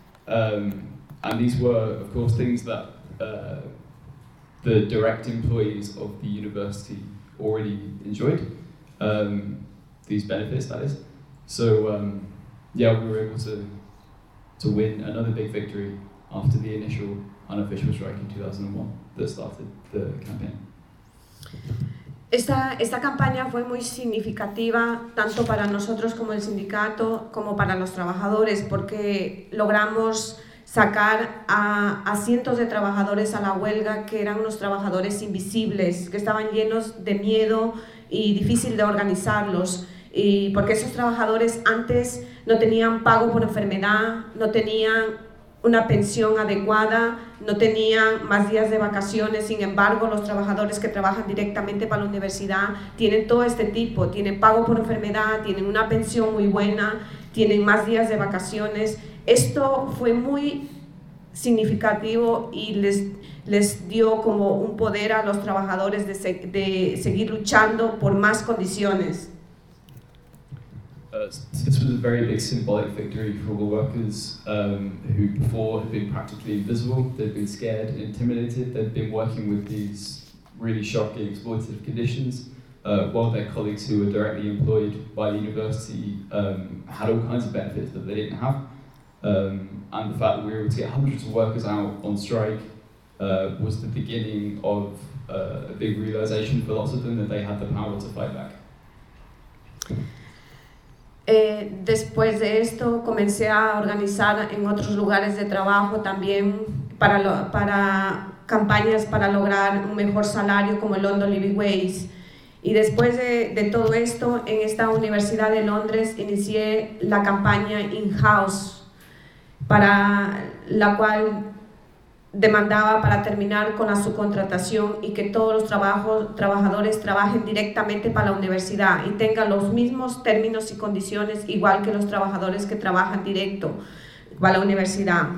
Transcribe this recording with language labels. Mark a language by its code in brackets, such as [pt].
[en] And these were, of course, things that the direct employees of the university already enjoyed, these benefits, that is. So, we were able to win another big victory after the initial unofficial strike in 2001 that started the campaign. [es] Esta campaña fue muy significativa tanto para nosotros como el sindicato como para los trabajadores porque logramos sacar a cientos de trabajadores a la huelga que eran unos trabajadores invisibles, que estaban llenos de miedo y difícil de organizarlos. Y porque esos trabajadores antes no tenían pago por enfermedad, no tenían una pensión adecuada, no tenían más días de vacaciones. Sin embargo, los trabajadores que trabajan directamente para la universidad tienen todo este tipo, tienen pago por enfermedad, tienen una pensión muy buena, tienen más días de vacaciones. Esto fue muy significativo y les dio como un poder a los trabajadores de seguir luchando por más condiciones. [en] This was a very big symbolic victory for all the workers who before had been practically invisible. They'd been scared and intimidated. They'd been working with these really shocking exploitative conditions while their colleagues who were directly employed by the university had all kinds of benefits that they didn't have. And the fact that we were able to get hundreds of workers out on strike was the beginning of a big realization for lots of them that they had the power to fight back. [es] Después de esto, comencé a organizar en otros lugares de trabajo también para campañas para lograr un mejor salario como el London Living Wage. Y después de todo esto, en esta Universidad de Londres, inicié la campaña In-House, para la cual demandaba para terminar con la subcontratación y que todos los trabajadores trabajen directamente para la universidad y tengan los mismos términos y condiciones igual que los trabajadores que trabajan directo para la universidad.